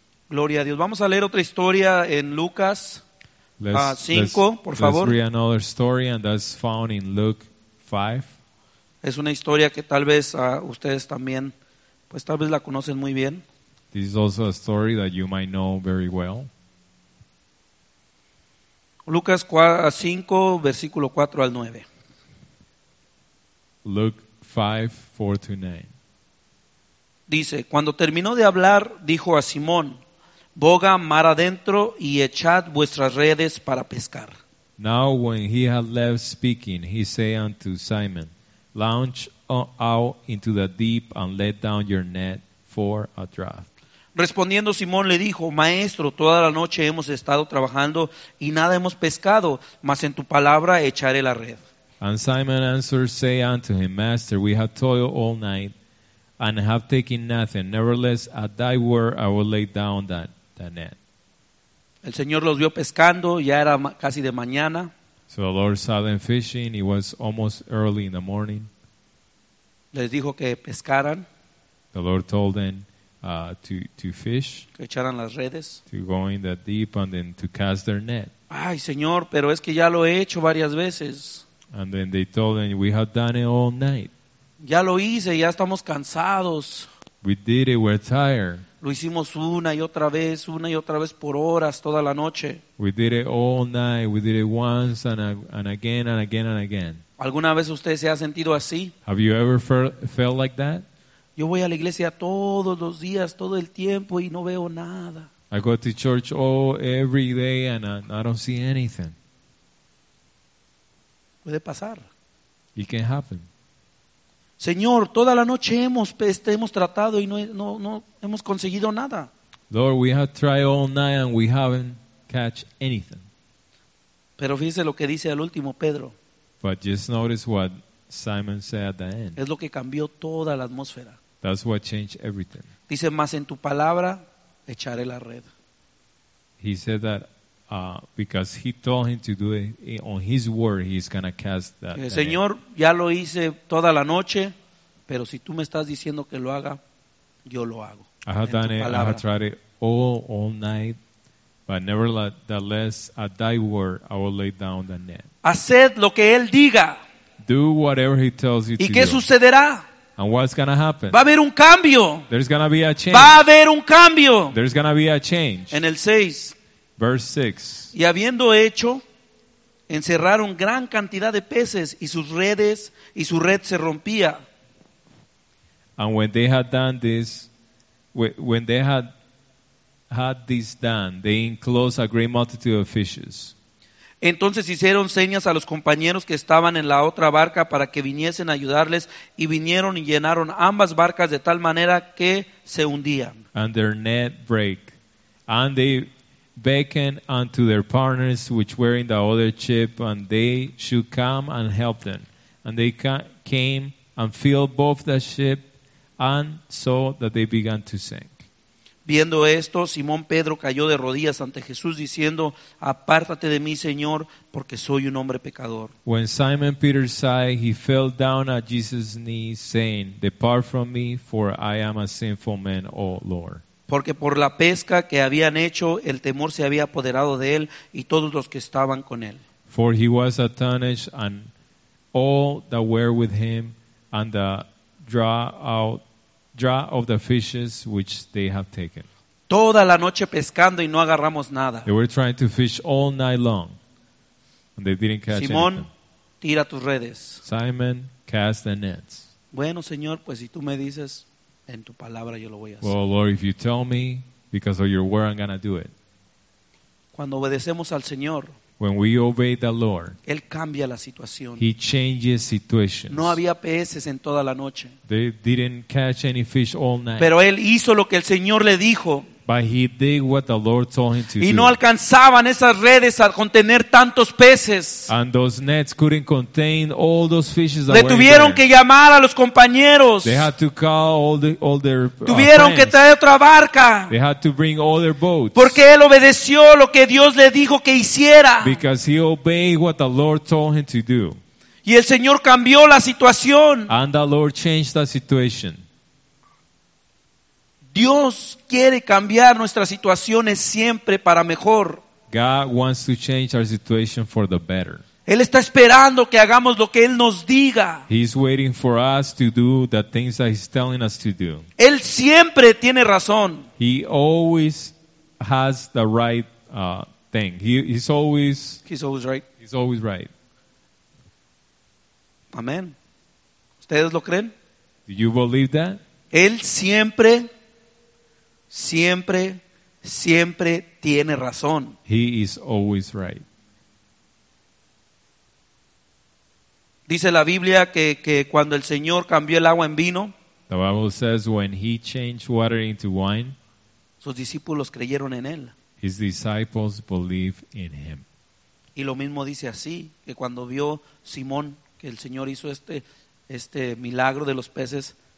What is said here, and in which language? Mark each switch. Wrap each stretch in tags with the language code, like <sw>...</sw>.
<es>Gloria a Dios. Vamos a leer otra historia en Lucas 5, por favor.</es> <en>Let's read another story, and that's found in Luke 5.</en> <es>Es una historia que tal vez ustedes también, pues tal vez la conocen muy bien.</es> <en>This is also a story that you might know very well.</en> <es>Lucas 5, versículo 4 al 9.</es> <en>Luke 5, 4 to 9.</en> <es>Dice, cuando terminó de hablar, dijo a Simón, boga mar adentro y echad vuestras redes para pescar.</es> <en>Now when he had left speaking, he said unto Simon, launch out into the deep and let down your net for a draught.</en> <es>Respondiendo Simón le dijo, maestro, toda la noche hemos estado trabajando y nada hemos pescado, mas en tu palabra echaré la red.</es> <en>And Simon answered, say unto him, master, we have toiled all night and have taken nothing. Nevertheless, at thy word I will lay down the net.</en> <es>El Señor los vio pescando, ya era casi de mañana.</es> <en>So the Lord saw them fishing, it was almost early in the morning.</en> <es>Les dijo que pescaran.</es> <en>The Lord told them to fish.</en> <es>Que echaran las redes.</es> <en>To go in the deep and then to cast their net.</en> <es>Ay, Señor, pero es que ya lo he hecho varias veces.</es> <en>And then they told them, we have done it all night.</en> <es>Ya lo hice, ya estamos cansados.</es> <en>We did it, we're tired.</en> <es>Lo hicimos una y otra vez por horas, toda la noche.</es> <en>We did it all night, we did it once and again and again and again.</en> <es>¿Alguna vez usted se ha sentido así?</es> <en>Have you ever felt like that?</en> <es>Yo voy a la iglesia todos los días, todo el tiempo y no veo nada.</es> <en>I go to church every day and I don't see anything.</en> <es>Puede pasar.</es> <en>It can happen.</en> <es>Señor, toda la noche hemos tratado y no hemos conseguido nada.</es> <en>Lord, we have tried all night and we haven't catch anything.</en> <es>Pero fíjese lo que dice al último Pedro.</es> <en>But just notice what Simon said at the end.</en> <es>Es lo que cambió toda la atmósfera.</es> <en>That's what changed everything.</en> <es>Dice, más en tu palabra echaré la red.</es> <en>He said that because he told him to do it on his word, he's going to cast that.</en> <es>Señor, ya lo hice toda la noche, pero si tú me estás diciendo que lo haga, yo lo hago.</es> <en>I have done it,</en> <es>palabra.</es> <en>I have tried it all night, but nevertheless, at thy word, I will lay down the net.</en> <es>Haced lo que él diga.</es> <en>Do whatever he tells you to do.</en> <es>¿Y qué sucederá?</es> <en>And what's going to happen?</en> <es>Va a haber un cambio.</es> <en>There's going to be a change.</en> <es>Va a haber un cambio.</es> <en>There's going to be a change.</en> <es>En el 6.</es> <en>Verse 6.</en> <es>Y habiendo hecho, encerraron gran cantidad de peces y sus redes, y su red se rompía.</es> <en>And when they had done this, when they had this done, they enclosed a great multitude of fishes.</en> <es>Entonces hicieron señas a los compañeros que estaban en la otra barca para que viniesen a ayudarles y vinieron y llenaron ambas barcas de tal manera que se hundían.</es> <en>And their net break. And they beckoned unto their partners which were in the other ship and they should come and help them. And they came and filled both the ship and so that they began to sink.</en> <es>Viendo esto, Simón Pedro cayó de rodillas ante Jesús diciendo, apártate de mí, Señor, porque soy un hombre pecador.</es> <en>When Simon Peter saw it, he fell down at Jesus' knees, saying, depart from me, for I am a sinful man, O Lord.</en> <es>Porque por la pesca que habían hecho, el temor se había apoderado de él y todos los que estaban con él.</es> <en>For he was astonished, and all that were with him, and the draw of the fishes which they have taken.</en> <es>Toda la noche pescando y no agarramos nada.</es> <en>They were trying to fish all night long, and they didn't catch</en> <es>Simón,</es> <en>anything.</en> <es>Tira tus redes.</es> <en>Simon, cast the nets.</en> <es>Bueno, Señor, pues si tú me dices, en tu palabra yo lo voy a hacer.</es> <en>Well, Lord, if you tell me, because of your word, I'm going to do it.</en> <es>Cuando obedecemos al Señor,</es> <en>when we obey the Lord,</en> <es>él cambia la situación.</es> <en>He changes situations.</en> <es>No había peces en toda la noche.</es> <en>They didn't catch any fish all night.</en> <es>Pero él hizo lo que el Señor le dijo.</es> <en>But he did what the Lord told him to</en> <es>y</es> <en>do.</en> <es>No alcanzaban esas redes a contener tantos peces.</es> <en>And those nets couldn't contain all those fishes.</en> <es>Le tuvieron que llamar a los compañeros.</es> <en>They had to call all their</en> <es>tuvieron que traer otra barca.</es> <en>They had to bring all their boats.</en> <es>Porque él obedeció lo que Dios le dijo que hiciera.</es> <en>Because he obeyed what the Lord told him to do.</en> <es>Y el Señor cambió la situación.</es> <en>And the Lord changed the situation.</en> <es>Dios quiere cambiar nuestras situaciones siempre para mejor.</es> <en>God wants to change our situation for the better.</en> <es>Él está esperando que hagamos lo que Él nos diga.</es> <en>He's waiting for us to do the things that He's telling us to do.</en> <es>Él siempre tiene razón.</es> <en>He always has the right thing. He's always right. He's always right.</en> <es>Amén. ¿Ustedes lo creen?</es> <en>Do you believe that?</en> <es>Él siempre... siempre, siempre tiene razón.</es> <en>He is always right.</en> <es>Dice la Biblia que cuando el Señor cambió el agua en vino,</es> <en>the Bible says when he changed water into wine,</en> <es>sus discípulos creyeron en él.</es> <en>His disciples believed in him.</en> <es>Y lo mismo dice así, que cuando vio Simón que el Señor hizo este milagro de los peces,</es>